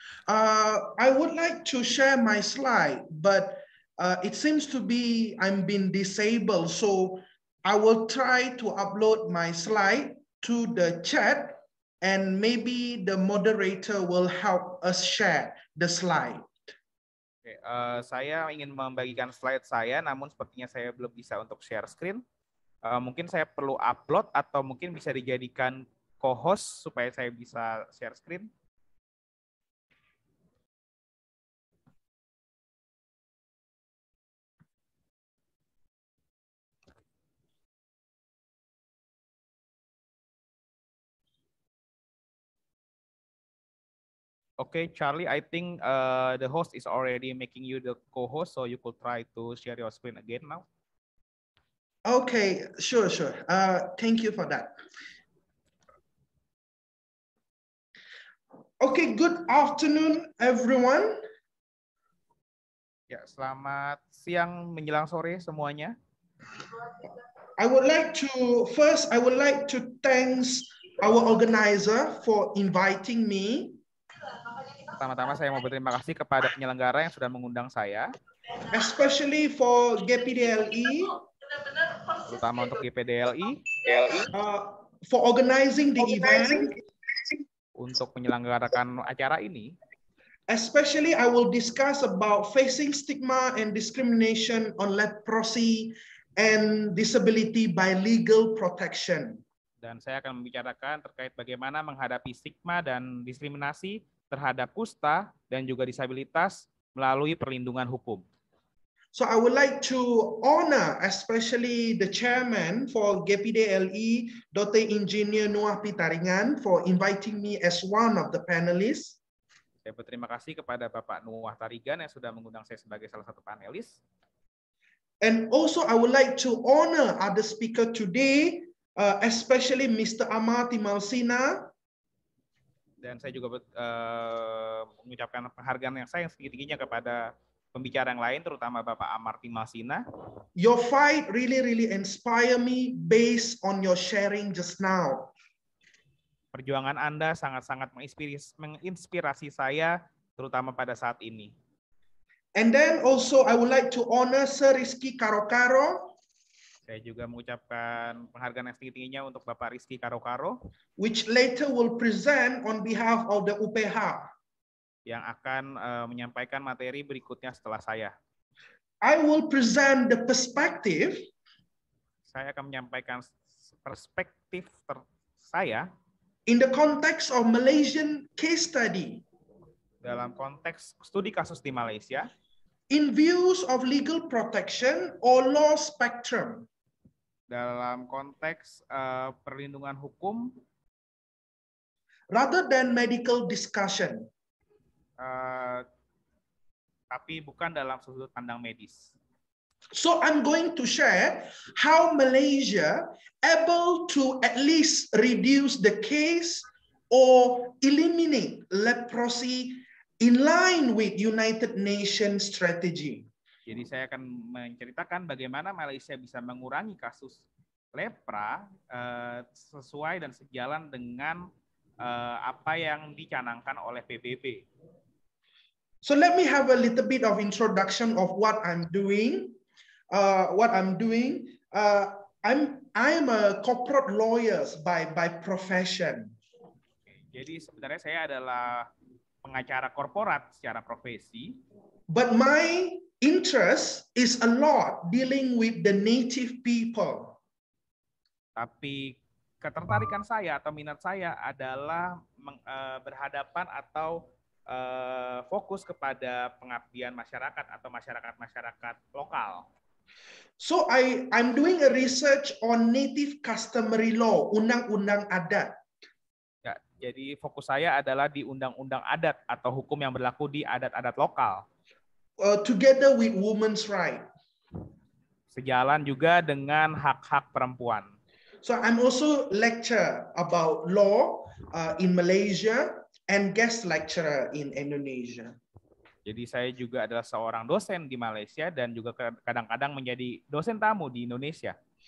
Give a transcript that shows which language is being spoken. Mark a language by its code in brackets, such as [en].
[en] I would like to share my slide, but it seems to be I'm been disabled, so I will try to upload my slide to the chat, and maybe the moderator will help us share the slide. [id] Okay, saya ingin membagikan slide saya, namun sepertinya saya belum bisa untuk share screen. Mungkin saya perlu upload atau mungkin bisa dijadikan co-host supaya saya bisa share screen. [en] Okay, Charlie, I think the host is already making you the co-host, so you could try to share your screen again now. Okay, sure. Thank you for that. Okay, good afternoon, everyone. [id] Ya, selamat siang menjelang sore semuanya. [en] I would like to thanks our organizer for inviting me [id] pertama-tama saya mau berterima kasih kepada penyelenggara yang sudah mengundang saya. [en] Especially for GPDLI. [id] Terutama untuk GPDLI. [en] For organizing the organizing event. [id] Untuk menyelenggarakan acara ini. [en] Especially I will discuss about facing stigma and discrimination on leprosy and disability by legal protection. [id] Dan saya akan membicarakan terkait bagaimana menghadapi stigma dan diskriminasi terhadap kusta dan juga disabilitas melalui perlindungan hukum. [en] So I would like to honor especially the chairman for GPDLI, Dr. Engineer Noah Pitaringan, for inviting me as one of the panelists. [id] Saya berterima kasih kepada Bapak Noah Tarigan yang sudah mengundang saya sebagai salah satu panelis. [en] And also I would like to honor other speaker today, especially Mr. Amar Timalsina. [id] Dan saya juga mengucapkan penghargaan yang saya setinggi-tingginya kepada pembicara yang lain, terutama Bapak Amar Timalsina. [en] Your fight really, really inspire me based on your sharing just now. [id] Perjuangan Anda sangat-sangat menginspirasi saya, terutama pada saat ini. [en] And then also I would like to honor Sir Rizky Karokaro. [id] Saya juga mengucapkan penghargaan yang tingginya untuk Bapak Rizky Karokaro, [en] which later will present on behalf of the UPH, [id] yang akan menyampaikan materi berikutnya setelah saya. [en] I will present the perspective. [id] Saya akan menyampaikan perspektif saya [en] in the context of Malaysian case study. [id] Dalam konteks studi kasus di Malaysia. [en] In views of legal protection or law spectrum. [id] Dalam konteks perlindungan hukum. [en] Rather than medical discussion. [id] Tapi bukan dalam sudut pandang medis. [en] So I'm going to share how Malaysia able to at least reduce the case or eliminate leprosy in line with United Nations strategy. [id] Jadi saya akan menceritakan bagaimana Malaysia bisa mengurangi kasus lepra sesuai dan sejalan dengan apa yang dicanangkan oleh PBB. [en] So let me have a little bit of introduction of what I'm doing. I'm a corporate lawyer by profession. [id] Jadi sebenarnya saya adalah pengacara korporat secara profesi. [en] But my interest is a lot dealing with the native people. [id] Tapi ketertarikan saya atau minat saya adalah berhadapan atau fokus kepada pengabdian masyarakat atau masyarakat lokal. [en] So I'm doing a research on native customary law, [id] undang-undang adat. Ya, jadi fokus saya adalah di undang-undang adat atau hukum yang berlaku di adat-adat lokal. [en] Together with women's right. [id] Sejalan juga dengan hak-hak perempuan. [en] So I'm also lecture about law in Malaysia and guest lecturer in Indonesia. [id] Jadi saya juga adalah seorang dosen di Malaysia dan juga kadang-kadang menjadi dosen tamu di Indonesia.